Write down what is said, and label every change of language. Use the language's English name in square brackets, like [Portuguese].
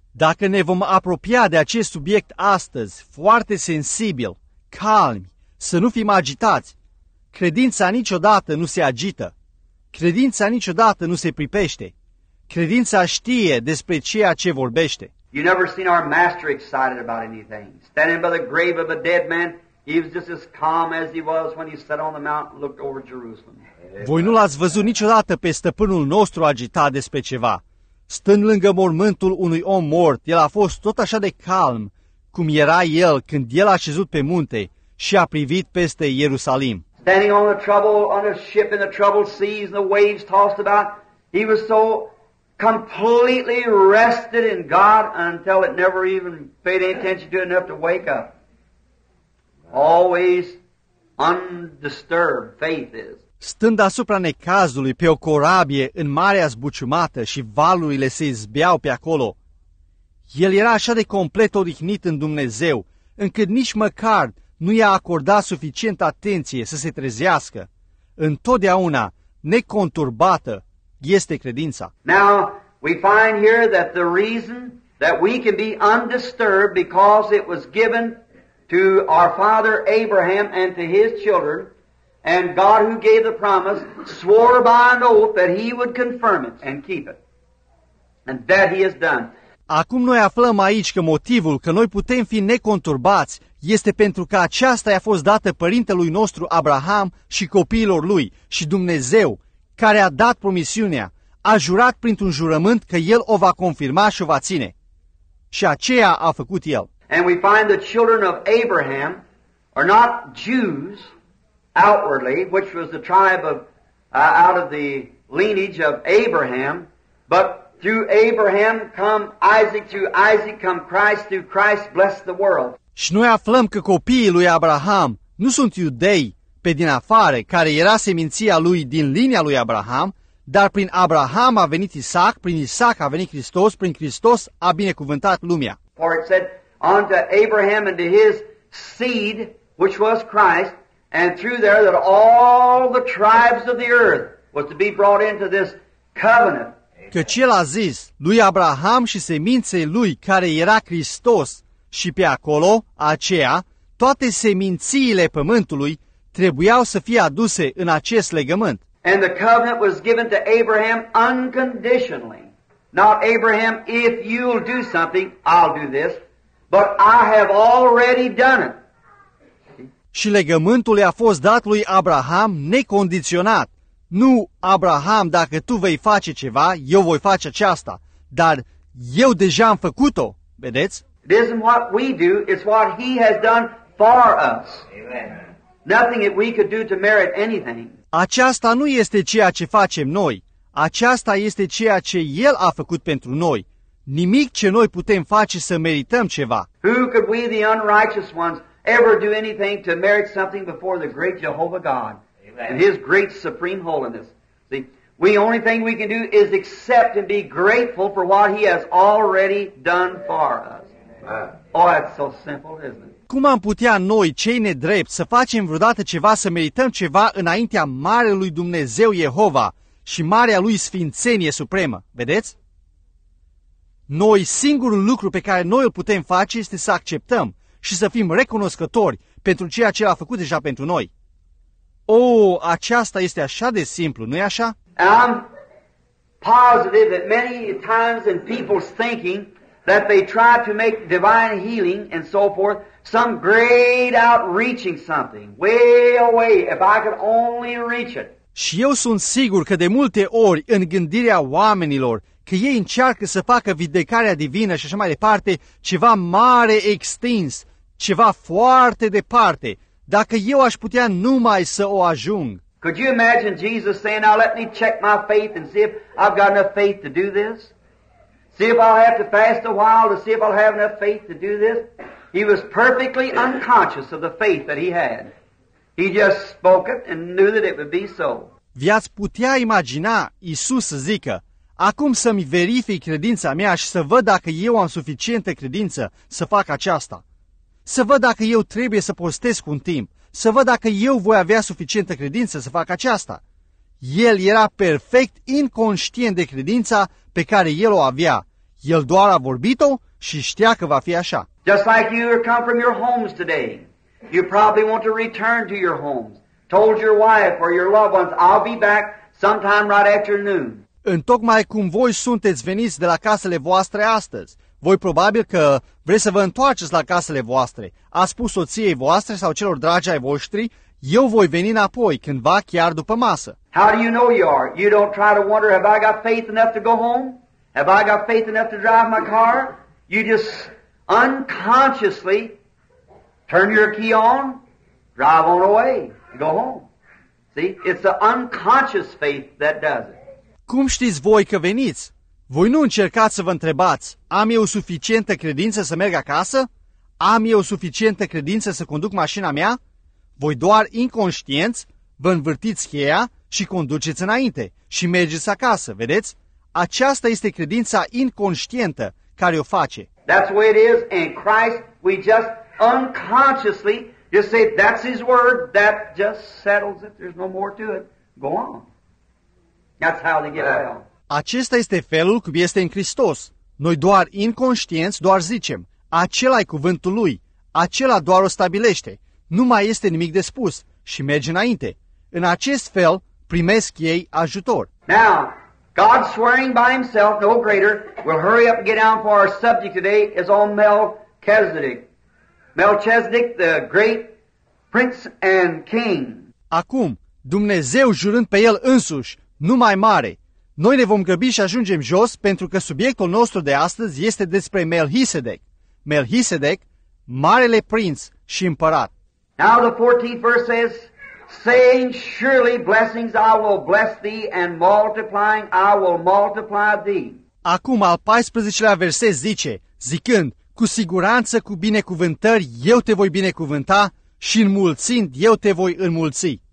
[Romanian] Dacă ne vom apropia de acest subiect astăzi, foarte sensibil, calmi, să nu fim agitați, credința niciodată nu se agită. Credința niciodată nu se pripește. Credința știe despre ceea ce vorbește. [English] You never seen our master excited about anything. Standing by the grave of a dead man, he was just as calm as he was when he sat on the mount and looked over Jerusalem. [Romanian] Voi nu l-ați văzut niciodată pe stăpânul nostru agitat despre ceva. Stând lângă mormântul unui om mort, el a fost tot așa de calm cum era el când el a șezut pe munte și a privit peste Ierusalim. [English] Standing on the trouble on a ship in the troubled seas and the waves tossed about, he was so completely rested in God until it never even paid any attention to it enough to wake up. Always undisturbed faith is. [Romanian] Stând asupra necazului pe o corabie în marea zbuciumată și valurile se izbeau pe acolo, el era așa de complet odihnit în Dumnezeu, încât nici măcar nu i-a acordat suficientă atenție să se trezească. Întotdeauna, neconturbată, este credința. [English] Now, we find here that the reason that we can be undisturbed because it was given to our father Abraham and to his children, and God who gave the promise swore by an oath that he would confirm it and keep it. And that he has done. [Romanian] Acum noi aflăm aici că motivul că noi putem fi neconturbați este pentru că aceasta i-a fost dată părintelui nostru Abraham și copiilor lui și Dumnezeu, care a dat promisiunea, a jurat printr-un jurământ că el o va confirma și o va ține. Și aceea a făcut el. [English] And we find the children of Abraham are not Jews outwardly, which was the tribe of out of the lineage of Abraham, but through Abraham come Isaac, through Isaac come Christ, through Christ bless the world. [Romanian] Și noi aflăm că copiii lui Abraham nu sunt iudei pe din afară, care era seminția lui din linia lui Abraham, dar prin Abraham a venit Isaac, prin Isaac a venit Hristos, prin Hristos a binecuvântat lumea. [English] For it said, unto Abraham and to his seed, which was Christ, and through there that all the tribes of the earth was to be brought into this covenant. [Romanian] Căci el a zis lui Abraham și seminței lui, care era Hristos, și pe acolo, aceea, toate semințiile pământului trebuiau să fie aduse în acest legământ. [English] And the covenant was given to Abraham unconditionally. Not Abraham, if you'll do something, I'll do this, but I have already done it. [Romanian] Și legământul i-a fost dat lui Abraham necondiționat. Nu, Abraham, dacă tu vei face ceva, eu voi face aceasta, dar eu deja am făcut-o, vedeți? [English] It isn't what we do, it's what he has done for us. Amen. Nothing that we could do to merit anything. [Romanian] Aceasta nu este ceea ce facem noi. Aceasta este ceea ce El a făcut pentru noi. Nimic ce noi putem face să merităm ceva. [English] Who could we, the unrighteous ones, ever do anything to merit something before the great Jehovah God? Amen. And His great supreme holiness. See, the only thing we can do is accept and be grateful for what He has already done for us. Amen. Oh, that's so simple, isn't it? [Romanian] Cum am putea noi, cei nedrepți, să facem vreodată ceva, să merităm ceva înaintea Marelui Dumnezeu Jehova și Marea Lui Sfințenie Supremă, vedeți? Noi, singurul lucru pe care noi îl putem face este să acceptăm și să fim recunoscători pentru ceea ce a făcut deja pentru noi. Oh, aceasta este așa de simplu, nu-i așa? [English] I'm positive that many times in people's thinking that they try to make divine healing and so forth some great outreaching something, way away, if I could only reach it. [Romanian] Și eu sunt sigur că de multe ori în gândirea oamenilor, că ei încearcă să facă vindecarea divină și așa mai departe, ceva mare extins, ceva foarte departe, dacă eu aș putea numai să o ajung. [English] Could you imagine Jesus saying, now let me check my faith and see if I've got enough faith to do this? See if I'll have to fast a while to see if I'll have enough faith to do this? He was perfectly unconscious of the faith that he had. He just spoke it and knew that it would be so. [Romanian] V-ați putea imagina Iisus să zică, acum să-mi verific credința mea și să văd dacă eu am suficientă credință să fac aceasta. Să văd dacă eu trebuie să postez un timp. Să văd dacă eu voi avea suficientă credință să fac aceasta. El era perfect inconștient de credința pe care el o avea. El doar a vorbit-o și știa că va fi așa. [English] Just like you come from your homes today, you probably want to return to your homes. Told your wife or your loved ones, I'll be back sometime right after noon. [Romanian] Întocmai cum voi sunteți veniți de la casele voastre astăzi, voi probabil că vreți să vă întoarceți la casele voastre. A spus soției voastre sau celor dragi ai voștri, eu voi veni înapoi, cândva chiar după masă. [English] How do you know you are? You don't try to wonder, have I got faith enough to go home? Have I got faith enough to drive my car? You just unconsciously turn your key on, drive on away, go home. See, it's the unconscious faith that does it. [Romanian] Cum știți voi că veniți? Voi nu încercați să vă întrebați, am eu suficientă credință să merg acasă? Am eu suficientă credință să conduc mașina mea? Voi doar inconștienți vă învârtiți cheia și conduceți înainte și mergeți acasă, vedeți? Aceasta este credința inconștientă care o face. [English] That's the way it is. In Christ, we just unconsciously just say, that's His word, that just settles it, there's no more to it. Go on. That's how they get out. [Romanian] Acesta este felul cum este în Hristos. Noi doar inconștienți doar zicem, acela-i cuvântul Lui, acela doar o stabilește, nu mai este nimic de spus și merge înainte. În acest fel primesc ei ajutor. [English] Now, God swearing by Himself, no greater, we'll hurry up and get down for our subject today, is on Melchizedek. Melchizedek, the great prince and king. [Romanian] Acum, Dumnezeu jurând pe El însuși, numai mare, noi ne vom grăbi și ajungem jos pentru că subiectul nostru de astăzi este despre Melchizedek. Melchizedek, marele prinț și împărat. [English] Now the 14th verse says, saying, surely blessings I will bless thee and multiplying I will multiply thee. [Romanian] Acum al 14-lea verset zice, zicând, cu siguranță cu binecuvântări eu te voi binecuvânta și înmulțind eu te voi înmulți.